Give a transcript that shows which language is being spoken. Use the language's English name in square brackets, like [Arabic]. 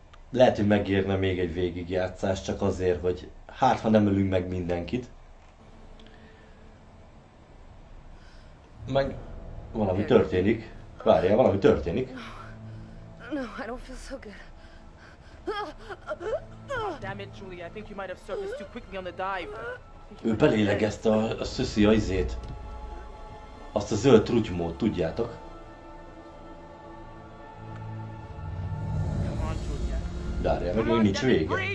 [Hungarian] Lehet, hogy megérne még egy végigjátszás, csak azért, hogy hát, ha nem ölünk meg mindenkit. Meg valami történik. Várjál, valami történik. [English] No, I don't feel so good. Damn it, Julia, I think you might have surfaced too quickly on the dive. [Hungarian] Ő belélegezte a szüszi ajzét. Azt a zöld trutymót, tudjátok. Várjál, meg még nincs vége.